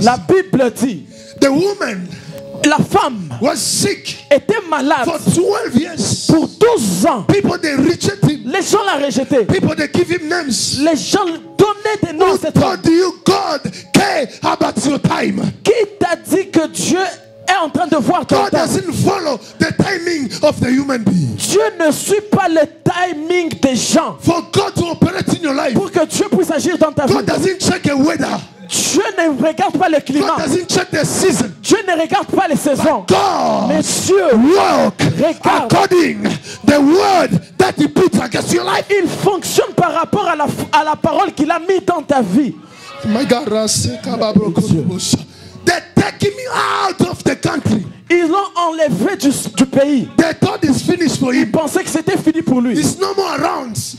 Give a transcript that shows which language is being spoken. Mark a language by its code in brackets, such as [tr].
[fr] la Bible dit, [en] the woman, [fr] la femme, [en] was sick, [fr] était malade, [en] for 12 years, [fr] pour 12 ans, [en] people they rejected him, [fr] les gens la rejetaient, [en] people they give him names, [fr] les gens donnaient des noms. [en] Who told you God care about your time? [fr] Qui t'a dit que Dieu est en train de voir ton [en] God [fr] temps? [en] Doesn't follow the timing of the human being. [fr] Dieu ne suit pas le timing des gens. [en] For God to operate in your life. [fr] Pour que Dieu puisse agir dans ta [en] God God doesn't check the weather. [fr] Dieu ne regarde pas le climat. [en] God doesn't check the season. [fr] Dieu ne regarde pas les saisons. [en] But God, [fr] monsieur, [en] work [fr] regarde. [en] According the word that he puts against your life. [fr] Il fonctionne par rapport à la parole qu'il a mis dans ta vie. [en] They're taking me out of the country. [fr] Ils l'ont enlevé du pays. [en] They thought it's finished for him. [fr] Ils pensaient que c'était fini pour lui. [en] It's no more around.